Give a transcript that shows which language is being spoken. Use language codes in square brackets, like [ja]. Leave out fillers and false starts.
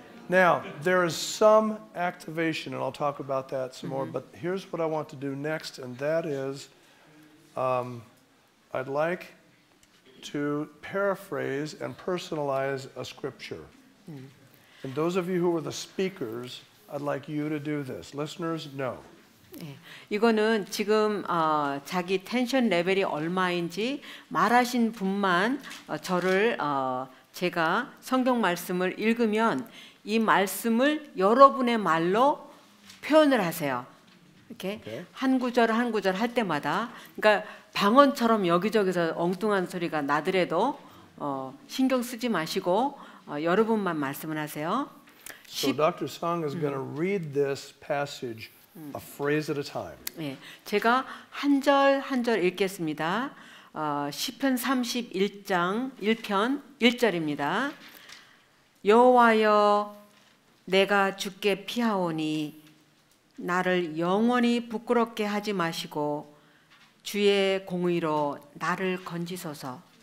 [en] Now, there is some activation, and I'll talk about that some more, but here's what I want to do next, and that is I'd like to paraphrase and personalize a scripture. Mm-hmm. And those of you who were the speakers, I'd like you to do this. Listeners, no. [ko] 예, 이거는 지금 자기 텐션 레벨이 얼마인지 말하신 분만 저를 제가 성경 말씀을 읽으면 이 말씀을 여러분의 말로 표현을 하세요. 이렇게 한 구절 한 구절 할 때마다, 그러니까 방언처럼 여기저기서 엉뚱한 소리가 나더라도 신경 쓰지 마시고 여러분만 말씀을 하세요. [en] So Dr. Song is going to read this passage. A phrase at a time. [ko] 예, 제가 한 절 한 절 읽겠습니다. 시편 31장 1편 1절입니다. 여호와여, 내가 주께 피하오니 나를 영원히 부끄럽게 하지 마시고 주의 공의로 나를 건지소서.